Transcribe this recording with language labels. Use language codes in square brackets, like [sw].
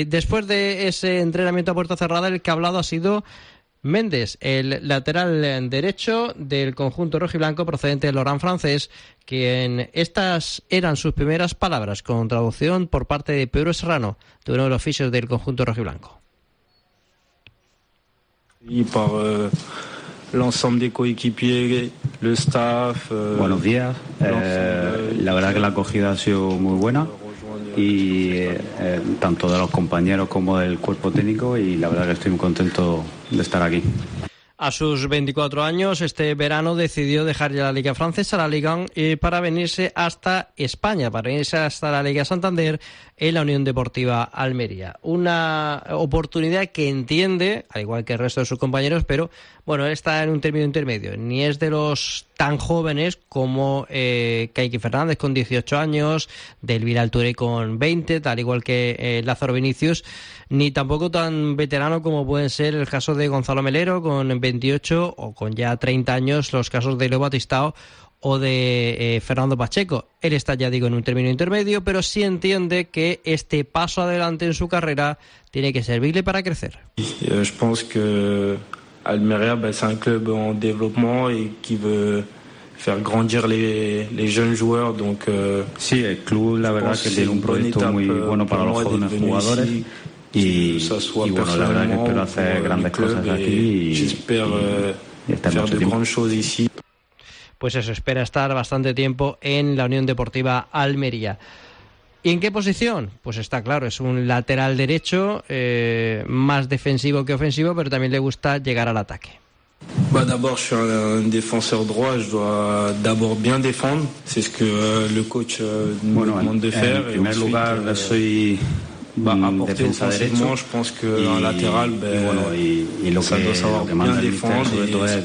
[es] Después de ese entrenamiento a puerta cerrada, el que ha hablado ha sido Méndez, el lateral derecho del conjunto rojiblanco procedente del Orán francés, quien estas eran sus primeras palabras con traducción por parte de Pedro Serrano, de uno de los fisios del conjunto rojiblanco. Y por [fr] l'ensemble des coéquipiers, le staff. [es] Buenos días. La verdad que la acogida ha sido muy buena y tanto de los compañeros como del cuerpo técnico, y la verdad que estoy muy contento de estar aquí. A sus 24 años, este verano decidió dejar ya la Liga Francesa, la Ligue 1, para venirse hasta España, para venirse hasta la Liga Santander en la Unión Deportiva Almería. Una oportunidad que entiende, al igual que el resto de sus compañeros, pero bueno, está en un término intermedio. Ni es de los tan jóvenes como Kaique Fernández con 18 años, Del Vidal Touré con 20, tal igual que Lázaro Vinicius, ni tampoco tan veterano como pueden ser el caso de Gonzalo Melero con 28 o con ya 30 años los casos de Leo Batistao o de Fernando Pacheco. Él está, ya digo, en un término intermedio, pero sí entiende que este paso adelante en su carrera tiene que servirle para crecer. [fr] Je pense que Almería, ben, c'est un club en développement et qui veut faire grandir les jeunes joueurs. Donc, [es] sí, el club, la verdad, que tiene un proyecto muy bueno para los jóvenes jugadores. Y bueno, la verdad que espero hacer grandes cosas aquí y hacer grandes cosas aquí. Pues eso, espera estar bastante tiempo en la Unión Deportiva Almería. ¿Y en qué posición? Pues está claro, es un lateral derecho, más defensivo que ofensivo, pero también le gusta llegar al ataque. [fr] Bah, d'abord, je suis un défenseur droit, je dois d'abord bien défendre, c'est ce que le coach me demande de faire. [es] En primer lugar, soy defensa derecho, [fr] je pense que [es] un lateral, lo que manda el mister, sobre todo, es